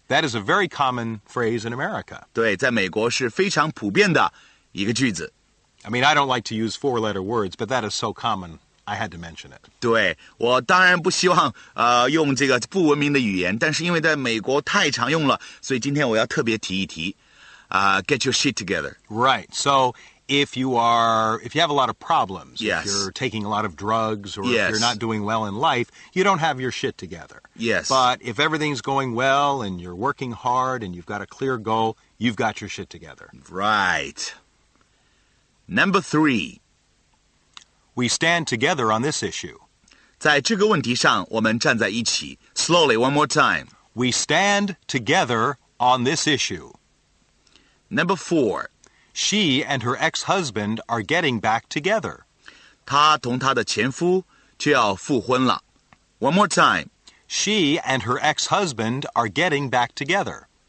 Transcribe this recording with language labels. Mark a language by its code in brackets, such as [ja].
[en] That is a very common phrase in America。 [zh] 对，在美国是非常普遍的一个句子。 [en] I mean, I don't like to use four-letter words, but that is so common, I had to mention it。 [zh] 对，我当然不希望用这个不文明的语言，但是因为在美国太常用了，所以今天我要特别提一提。 [en] Get your shit together. Right. So if you have a lot of problems, yes. If you're taking a lot of drugs, or yes. If you're not doing well in life, you don't have your shit together. Yes. But if everything's going well and you're working hard and you've got a clear goal, you've got your shit together. Right. Number three. We stand together on this issue. [zh] 在这个问题上我们站在一起。 [en] Slowly, one more time. We stand together on this issue. Number four. She and her ex-husband are getting back together. [zh] 她同她的前夫就要复婚了。 [en] One more time. She and her ex-husband are getting back together.